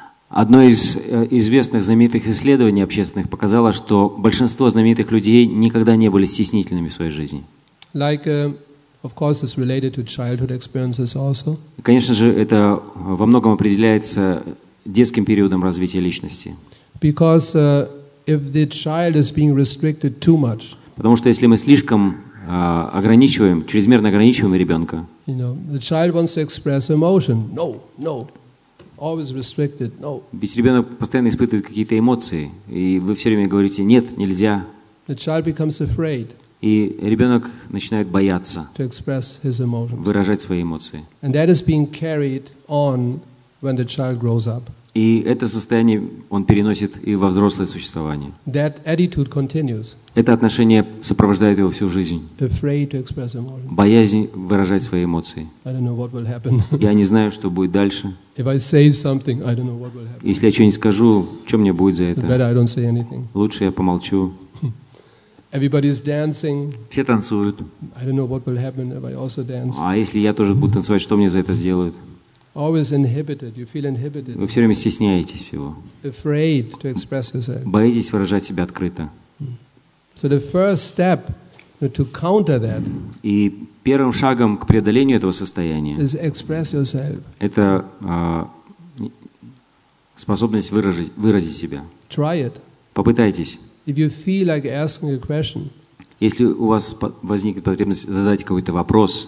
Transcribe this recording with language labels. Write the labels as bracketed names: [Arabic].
[Russian] Одно из известных знаменитых исследований общественных показало, что большинство знаменитых людей никогда не были стеснительными в своей жизни. [English] Like, of course, it's related to childhood experiences also. [Russian] Конечно же, это во многом определяется детским периодом развития личности. [English] Because, if the child is being restricted too much, [Russian] потому что если мы слишком ограничиваем, чрезмерно ограничиваем ребенка, [English] you know, the child wants to express emotion. No, no. Always restricted. No. [Russian] Ведь ребенок постоянно испытывает какие-то эмоции, и вы все время говорите «нет, нельзя». [English] The child becomes afraid. [Russian] И ребенок начинает бояться [English] to express his emotions. [Russian] Выражать свои эмоции. [English] And that is being carried on when the child grows up. [Russian] И это состояние он переносит и во взрослое существование. [English] That attitude continues. [Russian] Это отношение сопровождает его всю жизнь. [English] Afraid to express emotions. [Russian] Боязнь выражать свои эмоции. [English] I don't know what will happen. [Russian] Я не знаю, что будет дальше. [English] If I say something, I don't know what will happen. [Russian] Если я что-нибудь скажу, что мне будет за это? [English] Better I don't say anything. [Russian] Лучше я помолчу. [English] Everybody is dancing. [Russian] Все танцуют. [English] I don't know what will happen if I also dance. [Russian] А если я тоже буду танцевать, что мне за это сделают? [English] Always inhibited. You feel inhibited. [Russian] Вы все время стесняетесь всего. [English] Afraid to express yourself. [Russian] Боитесь выражать себя открыто. [English] So the first step to counter that. [Russian] И первым шагом к преодолению этого состояния. [English] Is express yourself. [Russian] Это способность выразить себя. [English] Try it. [Russian] Попытайтесь. [English] If you feel like asking a question. [Russian] Если у вас возникнет потребность задать какой-то вопрос.